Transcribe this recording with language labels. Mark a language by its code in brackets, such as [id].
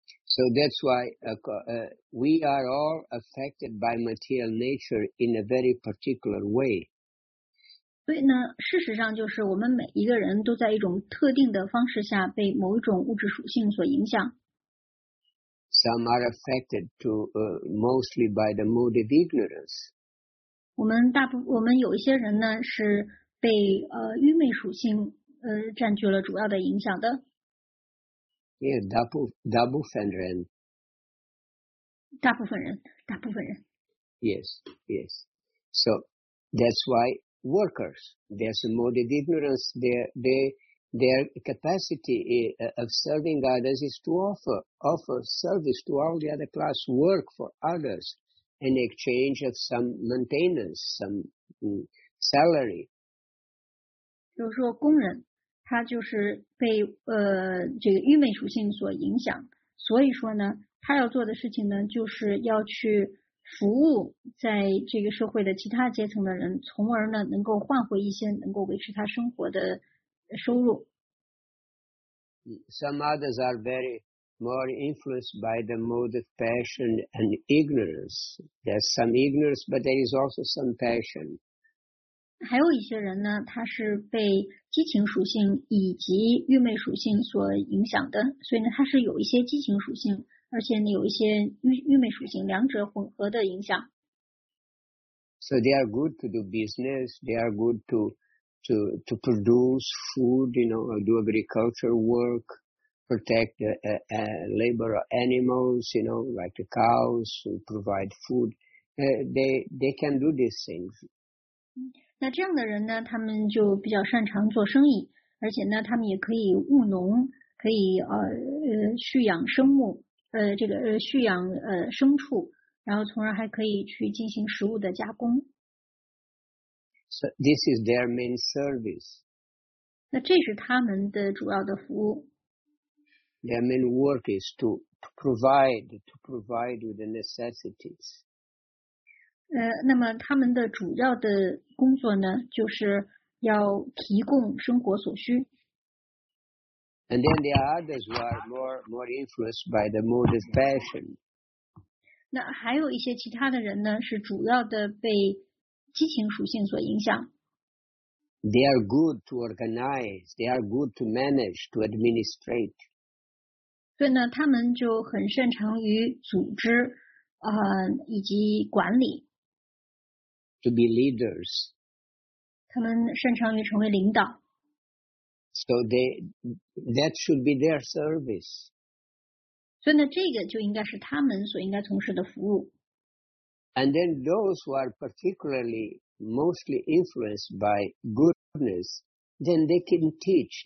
[en] So that's why we are all affected by material nature in a very particular way. [zh] 所以呢，事实上就是我们每一个人都在一种特定的方式下被某一种物质属性所影响。 [en] Some are affected to, mostly by the mood of ignorance. [zh] 我们有一些人呢是被愚昧属性占据了主要的影响的。 [en] Yeah, double fender. [zh] 大部分人。 [en] Yes. So that's why. Workers, there's a mode of ignorance. Their capacity of serving others is to offer service to all the other class, work for others in exchange of some maintenance, some salary. [zh] 比如说工人，他就是被这个愚昧属性所影响，所以说呢，他要做的事情呢，就是要去。服务在这个社会的其他阶层的人，从而呢能够换回一些能够维持他生活的收入。 [en] Some others are very more influenced by the mode of passion and ignorance. There's some ignorance, but there is also some passion. [zh] 还有一些人呢，他是被激情属性以及愚昧属性所影响的，所以呢，他是有一些激情属性。而且呢，有一些愚昧属性，两者混合的影响。 [en] So they are good to do business. They are good to produce food, you know, do agriculture work, protect labor animals, you know, like the cows, provide food. They can do these things. [zh] 那这样的人呢，他们就比较擅长做生意，而且呢，他们也可以务农，可以蓄养生牧。牲畜，然后从而还可以去进行食物的加工。 [en] So this is their main service. [zh] 那这是他们的主要的服务。 [en] Their main work is to provide with the necessities. [zh] 那么他们的主要的工作呢，就是要提供生活所需。 [en] And then there are others who are more influenced by the mood of passion. [zh] 那还有一些其他的人呢，是主要的被激情属性所影响。 [en] They are good to organize. They are good to manage, to administrate. [zh] 所以呢，他们就很擅长于组织，以及管理。 [en] To be leaders. [zh] 他们擅长于成为领导。 [en] So that should be their service. [zh] 所以呢，这个就应该是他们所应该从事的服务。 [en] And then those who are particularly mostly influenced by goodness, then they can teach.